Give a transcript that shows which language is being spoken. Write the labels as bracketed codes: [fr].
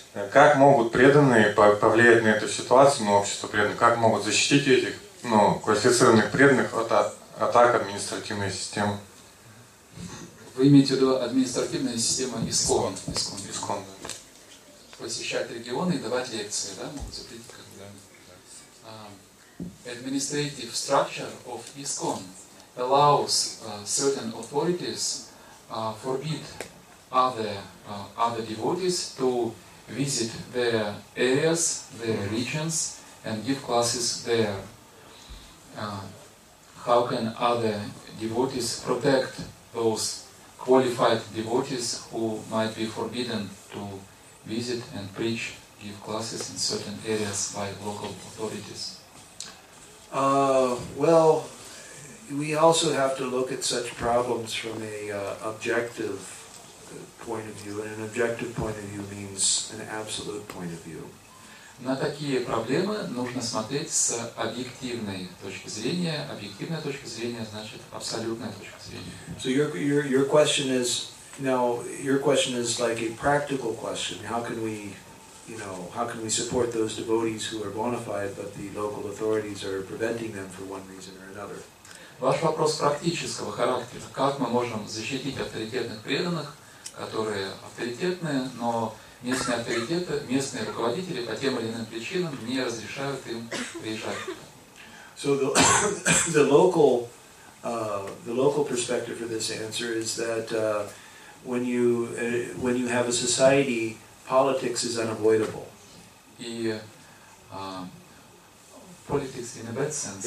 [ru] Как могут преданные повлиять на эту ситуацию, на общество преданных, как могут защитить этих, ну, квалифицированных преданных от атак административной системы? Вы имеете в виду административная система ИСКОН? ИСКОН, да. Посещать регионы и давать лекции, да, могут запретить как бы. [en] Administrative structure of ISKCON allows certain authorities forbid other devotees to visit their areas, their regions, and give classes there. How can other devotees protect those qualified devotees who might be forbidden to visit and preach, give classes in certain areas by local authorities? Well, we also have to look at such problems from a objective point of view, and an objective point of view means an absolute point of view. [ru] На такие проблемы нужно смотреть с объективной точки зрения. Объективная точка зрения значит абсолютная точка зрения. [en] So your question is now, your question is like a practical question. How can we, you know, how can we support those devotees who are bona fide, but the local authorities are preventing them for one reason or another? [ru] Ваш вопрос практического характера. Как мы можем защитить авторитетных преданных, которые авторитетные, но местные авторитеты, местные руководители по тем или иным причинам не разрешают им приезжать. [en] So the local perspective for this answer is that when you have a society, politics is unavoidable. И politics in a bad sense.